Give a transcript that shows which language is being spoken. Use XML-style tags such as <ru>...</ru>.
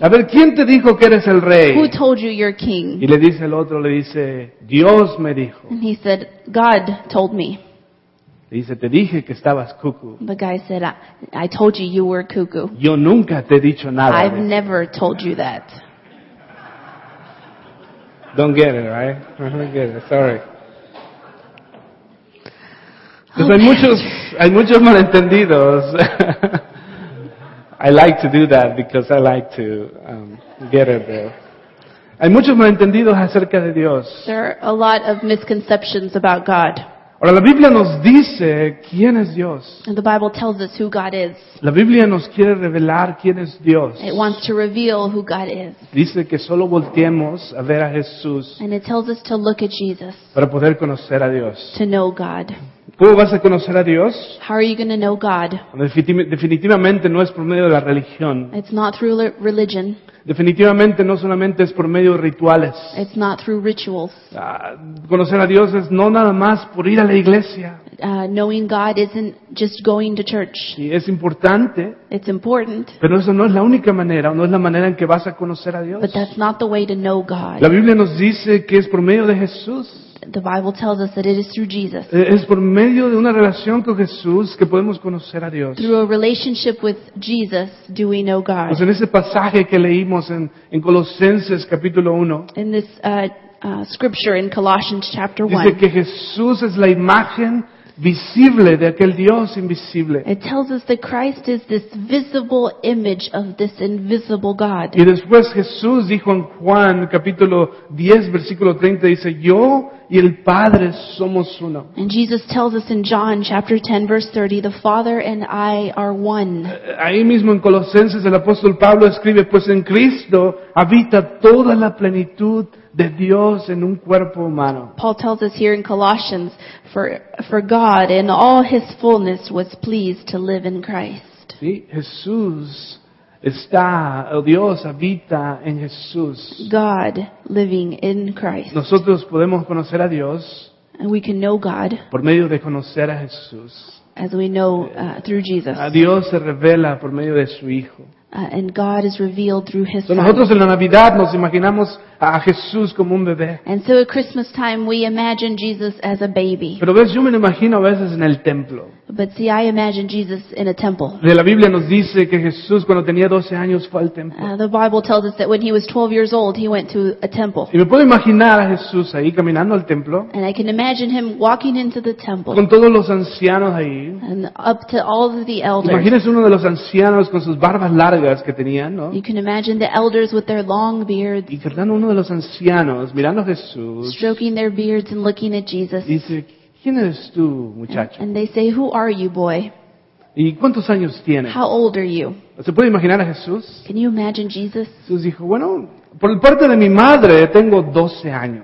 <es>A ver, ¿quién te dijo que eres el rey?</es> <en>Who told you you're king?</en> <es>Y le dice el otro, le dice, Dios me dijo.</es> <en>And he said, God told me.</en> <es>Le dice, te dije que estabas cuckoo.</es> <en>The guy said, I told you you were cuckoo.</en> <es>Yo nunca te he dicho nada.</es> <en>I've never told you that. Don't get it, right? I don't get it, sorry.</en> <es>Pues hay muchos malentendidos.</es> <en>I like to do that because I like to get it there.</en> <es>Hay muchos malentendidos acerca de Dios.</es> <en>There are a lot of misconceptions about God.</en> <es>Ahora la Biblia nos dice quién es Dios.</es> <en>And the Bible tells us who God is.</en> <es>La Biblia nos quiere revelar quién es Dios.</es> <en>It wants to reveal who God is.</en> <es>Dice que solo volteemos a ver a Jesús.</es> <en>And it tells us to look at Jesus.</en> <es>Para poder conocer a Dios.</es> <en>To know God.</en> <es>¿Cómo vas a conocer a Dios?</es> <en>How are you going to know God?</en> <es>Definitivamente no es por medio de la religión.</es> <en>It's not through religion.</en> <es>Definitivamente no solamente es por medio de rituales.</es> <en>It's not through rituals.</en> <es>Conocer a Dios es no nada más por ir a la iglesia.</es> <en>Knowing God isn't just going to church.</en> <es>Y es importante.</es> <en>It's important.</en> <es>Pero eso no es la única manera, no es la manera en que vas a conocer a Dios.</es> <en>But that's not the way to know God.</en> <es>La Biblia nos dice que es por medio de Jesús.</es> <en>The Bible tells us that it is through Jesus.</en> <es>Es por medio de una relación con Jesús que podemos conocer a Dios.</es> <en>Through a relationship with Jesus do we know God.</en> <es>Pues en ese pasaje que leímos en Colosenses capítulo 1.</es> <en>In this scripture in Colossians chapter 1.</en> <es>Dice que Jesús es la imagen visible de aquel Dios invisible.</es> <en>It tells us that Christ is this visible image of this invisible God.</en> <es>Y después Jesús dijo en Juan capítulo 10 versículo 30, dice, yo y el Padre somos uno.</es> <en>And Jesus tells us in John chapter 10 verse 30, the Father and I are one.</en> <es>Ahí mismo en Colosenses el apóstol Pablo escribe, pues en Cristo habita toda la plenitud de Dios en un cuerpo humano.</es> <en>Paul tells us here in Colossians, for God in all his fullness was pleased to live in Christ.</en> <es>Sí, Jesús está, Dios habita en Jesús.</es> <en>God living in Christ.</en> <es>Nosotros podemos conocer a Dios.</es> <en>And we can know God.</en> <es>Por medio de conocer a Jesús.</es> <en>As we know through Jesus.</en> <es>A Dios se revela por medio de su Hijo.</es> <en>And God is revealed through His Son.</en> <es>Nosotros en la Navidad nos imaginamos a Jesús como un bebé.</es> <en>And so at Christmas time we imagine Jesus as a baby.</en> <es>Pero ves, yo me lo imagino a veces en el templo.</es> <en>But see, I imagine Jesus in a temple.</en> <es>De la Biblia nos dice que Jesús cuando tenía 12 años fue al templo.</es> <en>The Bible tells us that when he was 12 years old, he went to a temple.</en> <es>Y me puedo imaginar a Jesús ahí caminando al templo.</es> <en>And I can imagine him walking into the temple.</en> <es>Con todos los ancianos ahí.</es> <en>And up to all of the elders.</en> <es>Imagínese uno de los ancianos con sus barbas largas que tenían, ¿no?</es> <en>You can imagine the elders with their long beards.</en> <es>Y cargando uno de los ancianos mirando a Jesús.</es> <en>Stroking their beards and looking at Jesus.</en> <es>Dice, ¿quién eres tú, muchacho?</es> <en>And they say, who are you, boy?</en> <es>¿Y cuántos años tienes?</es> <en>How old are you?</en> <es>¿Se puede imaginar a Jesús?</es> <en>Can you imagine Jesus?</en> <es>Jesús dijo, bueno, por parte de mi madre tengo 12 años.</es>